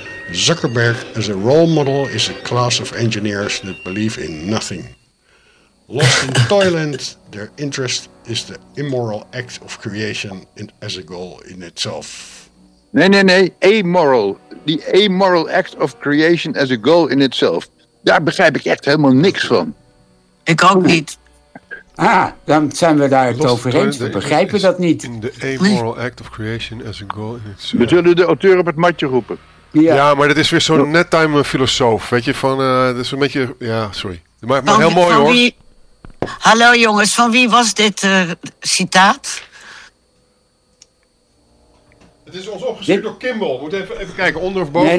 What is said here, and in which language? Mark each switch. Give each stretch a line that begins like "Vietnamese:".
English: Zuckerberg as a role model is a class of engineers that believe in nothing. Lost in Toyland, their interest is the immoral act of creation as a goal in itself.
Dutch: Nee, amoral.
English: The amoral act of creation as a goal in itself.
Dutch: Daar begrijp ik echt helemaal niks van. Ik ook niet. Ah, dan zijn we daar het over eens. We begrijpen dat niet.
English: The amoral act of creation as a goal in itself.
Dutch: We zullen de auteur op het matje roepen. Ja, ja, maar dat is weer zo'n net-time filosoof. Weet je, van, dat is een beetje, ja, sorry. Maar heel mooi hoor. Hallo jongens, van wie was dit citaat? Het is ons opgestuurd door Kimball. Moet even kijken, onder of boven.